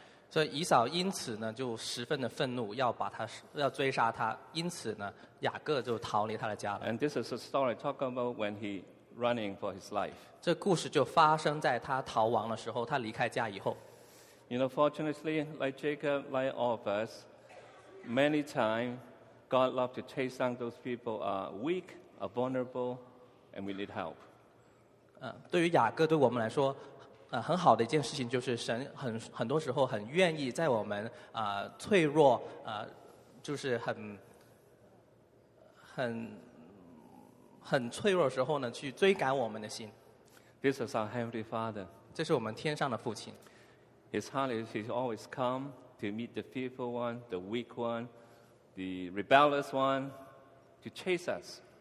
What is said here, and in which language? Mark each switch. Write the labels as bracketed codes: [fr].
[zh] 所以以扫因此呢就十分的愤怒，要追杀他。因此呢，雅各就逃离他的家了。 [en] And this is a story talk about when he running for his life. [zh] 这故事就发生在他逃亡的时候，他离开家以后。 [en] You know, fortunately, like Jacob, like all of us, many times, God loves to chase down those people who are weak, are vulnerable, and we need help. [zh] 对于雅各，对我们来说，很好的一件事情就是神很多时候很愿意在我们脆弱就是很脆弱的时候呢，去追赶我们的心。 [en] This is our Heavenly Father. [zh] 这是我们天上的父亲。 [en] His heart is he's always come to meet the fearful one, the weak one, the rebellious one, to chase us.